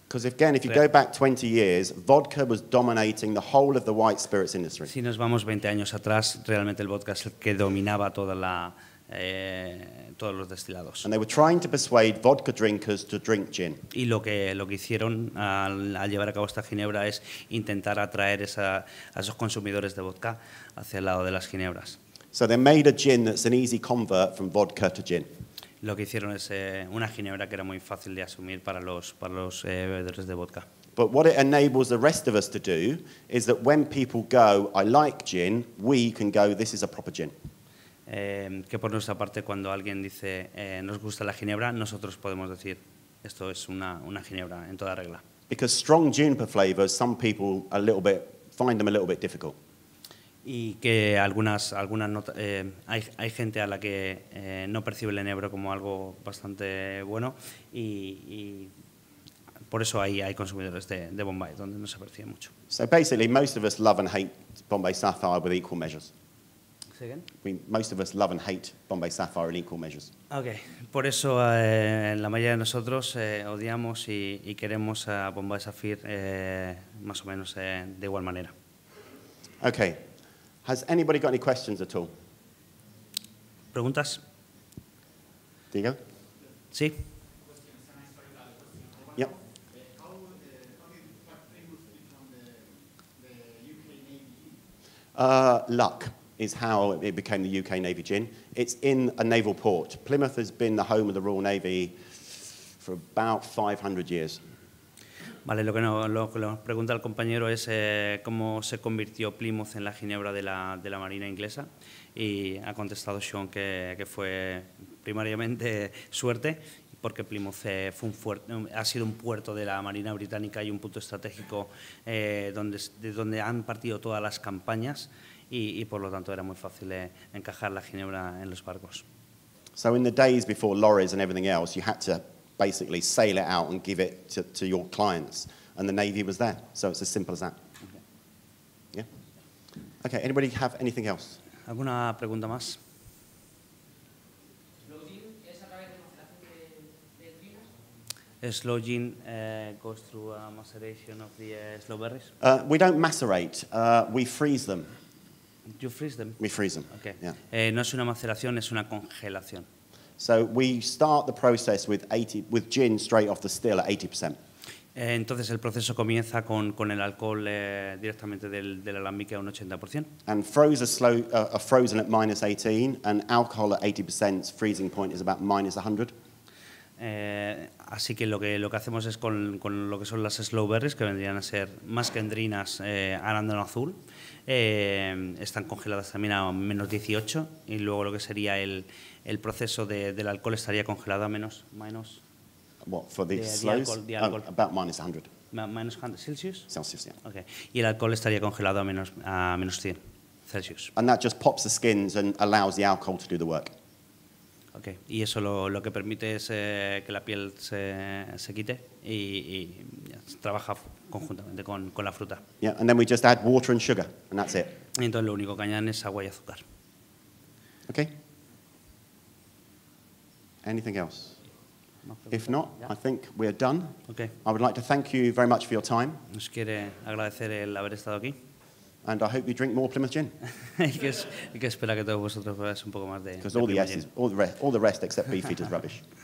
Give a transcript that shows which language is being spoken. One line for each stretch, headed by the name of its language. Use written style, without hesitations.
English: Because again, if you go back 20 years, vodka was dominating the whole of the white spirits industry.
Spanish: Si nos vamos 20 años atrás, realmente el vodka es el que dominaba toda la todos los destilados.
English: And they were trying to persuade vodka drinkers to drink gin.
Spanish: Y lo que hicieron al llevar a cabo esta ginebra es intentar atraer a esos consumidores de vodka hacia el lado de las ginebras.
English: So they made a gin that's an easy convert from vodka to gin.
Spanish: Lo que hicieron es una ginebra que era muy fácil de asumir para los bebedores de vodka.
English: But what it enables the rest of us to do is that when people go, I like gin, we can go, this is a proper gin.
Spanish: Que por nuestra parte, cuando alguien dice, nos gusta la ginebra, nosotros podemos decir, esto es una ginebra en toda regla.
English: Because strong juniper flavors, some people find them a little bit difficult.
Spanish: Y que algunas not- hay gente a la que no percibe el enebro como algo bastante bueno y por eso hay consumidores de Bombay donde no se percibe mucho.
English: So basically, most of us love and hate Bombay Sapphire with equal measures. Most of us love and hate Bombay Sapphire in equal measures.
Spanish: Okay, por eso la mayoría de nosotros odiamos y queremos a Bombay Sapphire más o menos de igual manera.
English: Okay. Has anybody got any questions at all?
Spanish: ¿Preguntas? ¿Diga? Sí.
English: Yep. Luck is how it became the UK Navy gin. It's in a naval port. Plymouth has been the home of the Royal Navy for about 500 years.
Spanish: Vale, lo que pregunta el compañero es cómo se convirtió Plymouth en la ginebra de la Marina inglesa, y ha contestado Sean que fue primariamente suerte, porque Plymouth ha sido un puerto de la Marina británica y un punto estratégico de donde han partido todas las campañas y por lo tanto era muy fácil encajar la ginebra en los barcos.
English: So in the days before lorries and everything else, you had to basically sail it out and give it to your clients, and the Navy was there, so it's as simple as that. Okay. Yeah. Okay. Anybody have anything else?
Spanish: ¿Alguna pregunta más?
English: Slow gin goes through a maceration of the slow berries. We don't macerate. We freeze them. You freeze them. We freeze them. Okay. Yeah.
Spanish: No es una maceración, es una congelación.
English: So we start the process with gin straight off the still at 80%.
Spanish: Entonces el proceso comienza con el alcohol directamente del alambique a un 80%.
English: And frozen at minus 18, and alcohol at 80% freezing point is about minus 100.
Spanish: Así que lo que hacemos es con lo que son las slow berries, que vendrían a ser más que endrinas, arándano azul. Están congeladas también a menos 18, y luego lo que sería el proceso del alcohol estaría congelado a menos
English: what for the slows? About minus 100. Minus 100 Celsius? Celsius, yeah. Okay.
Spanish: Y el alcohol estaría congelado a menos 100 Celsius.
English: And that just pops the skins and allows the alcohol to do the work. Okay.
Spanish: Y eso lo que permite es que la piel se quite y trabaja conjuntamente con la fruta.
English: Yeah, and then we just add water and sugar, and that's it.
Spanish: Y entonces lo único que añaden es agua y azúcar.
English: Okay. Anything else? If not, yeah. I think we are done. Okay. I would like to thank you very much for your time.
Spanish: Os quiero agradecer el haber estado aquí.
English: And I hope you drink more Plymouth gin.
Spanish: Y que espera que todos vosotros veáis un poco más de
English: Plymouth gin. Because all the rest except beef eaters is rubbish.